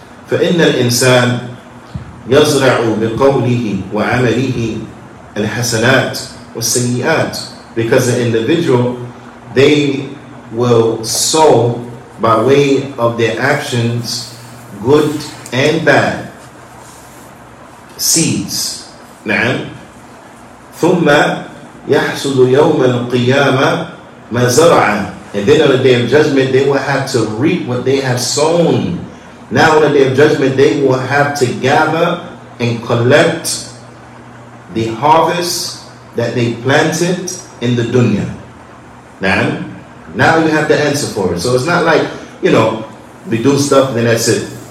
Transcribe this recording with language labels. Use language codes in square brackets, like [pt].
[ar] فَإِنَّ الْإِنسَانَ يَزْرَعُ بِقَوْلِهِ وَعَمَلِهِ الْحَسَنَاتِ وَالسَّيِّئَاتِ. [en] Because the individual, they will sow by way of their actions, good and bad seeds. [ar] نعم. ثم يحصد يوم القيامة ما زرع. [en] And then on the day of judgment, they will have to reap what they have sown. Now on the day of judgment, they will have to gather and collect the harvest that they planted in the dunya. Now you have the answer for it. So it's not like, you know, we do stuff and then that's it.